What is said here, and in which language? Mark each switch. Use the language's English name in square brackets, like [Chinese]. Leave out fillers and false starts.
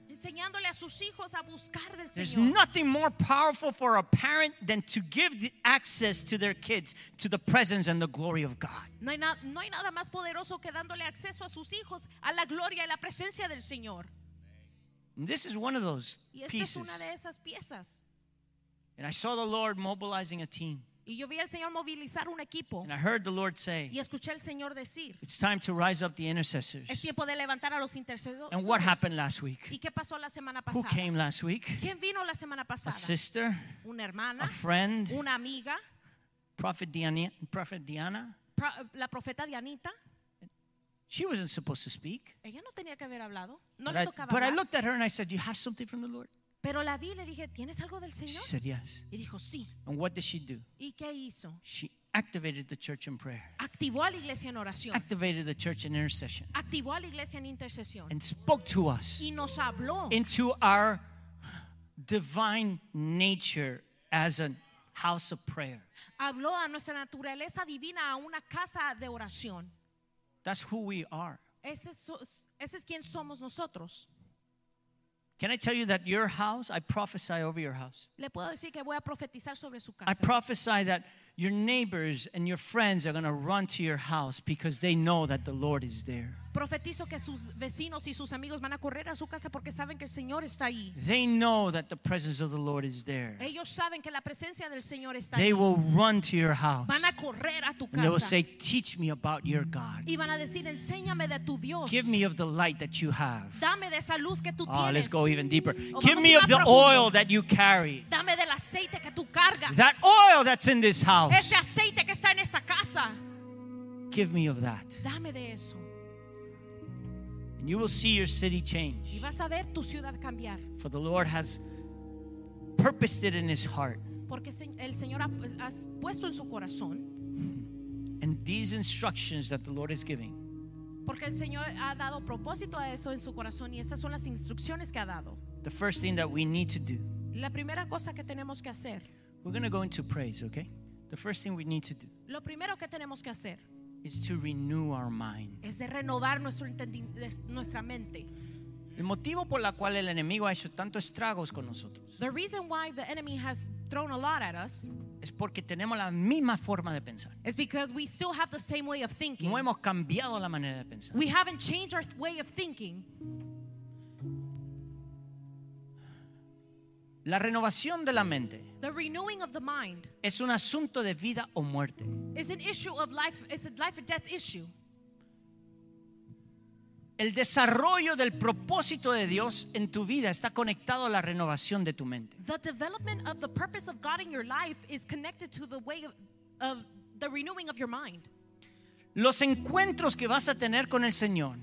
[Spanish] Enseñándole a sus hijos a buscar del Señor. [English] There's nothing more powerful for a parent than to give the access to their kids to the presence and the glory of God. [Spanish] No hay nada más poderoso que dándole acceso a sus hijos a la gloria y la presencia del Señor. [English] And this is one of those pieces. [Spanish] Y esta es una de esas piezas. [English] And I saw the Lord mobilizing a team. [Spanish] Y yo vi al Señor movilizar un equipo. [English] And I heard the Lord say, [Spanish] y escuché al Señor decir, [English] it's time to rise up the intercessors. [Spanish] Es tiempo de levantar a los intercesores. [English] And what happened last week? [Spanish] ¿Y qué pasó la semana pasada? [English] Who came last week? [Spanish] ¿Quién vino la semana pasada? [English] A sister, [Spanish] una hermana, [English] a friend, [Spanish] una amiga, la profeta Dianita. [English] She wasn't supposed to speak. [Spanish] Ella no tenía que haber hablado. No [English] but [Spanish] le tocaba [English] I, but I looked at her and I said, do you have something from the Lord? [Spanish] Pero la vi, le dije, ¿tienes algo del Señor? [English] She said yes. [Spanish] Y dijo, sí. [English] And what did she do? [Spanish] ¿Y qué hizo? [English] She activated the church in prayer. [Spanish] Activó a la iglesia en oración. [English] Activated the church in intercession. [Spanish] Activó a la iglesia en intercesión. [English] And spoke to us. [Spanish] Y nos habló. [English] Into our divine nature as a house of prayer. [Spanish] Habló a nuestra naturaleza divina, a una casa de oración. [English] That's who we are. [Spanish] Ese es quien somos nosotros. [English] Can I tell you that your house, I prophesy over your house. [Spanish] Le puedo decir que voy a profetizar sobre su casa. [English] I prophesy that your neighbors and your friends are going to run to your house because they know that the Lord is there. [Spanish] Profetizo que sus vecinos y sus amigos van a correr a su casa porque saben que el Señor está ahí. [English] They know that the presence of the Lord is there. [Spanish] Ellos saben que la presencia del Señor está ahí. [English] They will run to your house. [Spanish] Van a correr a tu casa. [English] And they will say, teach me about your God. [Spanish] Y van a decir, enséñame de tu Dios. [English] Give me of the light that you have. [Spanish] Dame de esa luz que tú tienes. [English] Oh, let's go even deeper. Give me of the oil that you carry. [Spanish] Dame del aceite que tú cargas. [English] That oil that's in this house. [Spanish] Ese aceite que está en esta casa. [English] Give me of that. [Spanish] Dame de eso. [English] And you will see your city change. [Spanish] Y vas a ver tu ciudad cambiar. [English] For the Lord has purposed it in his heart. [Spanish] Porque el Señor ha puesto en su corazón. [English] And these instructions that the Lord is giving. [Spanish] Porque el Señor ha dado propósito a eso en su corazón y esas son las instrucciones que ha dado. [English] The first thing that we need to do. [Spanish] La primera cosa que tenemos que hacer. [English] We're going to go into praise, okay? The first thing we need to do. [Spanish] Lo primero que tenemos que hacer. [English] Is to renew our mind. [Spanish] Es de renovar nuestro nuestra mente. El motivo por la cual el enemigo ha hecho tantos estragos con nosotros. [English] The reason why the enemy has thrown a lot at us. [Spanish] Es porque tenemos la misma forma de pensar. [English] It's because we still have the same way of thinking. [Spanish] No hemos cambiado la manera de pensar. [English] We haven't changed our way of thinking. [Spanish] La renovación de la mente. [English] The renewing of the mind. [Spanish] Es un asunto de vida o muerte. [English] It's an issue of life. It's a life or death issue. [Spanish] El desarrollo del propósito de Dios en tu vida está conectado a la renovación de tu mente. [English] The development of the purpose of God in your life is connected to the way of the renewing of your mind. [Spanish] Los encuentros que vas a tener con el Señor.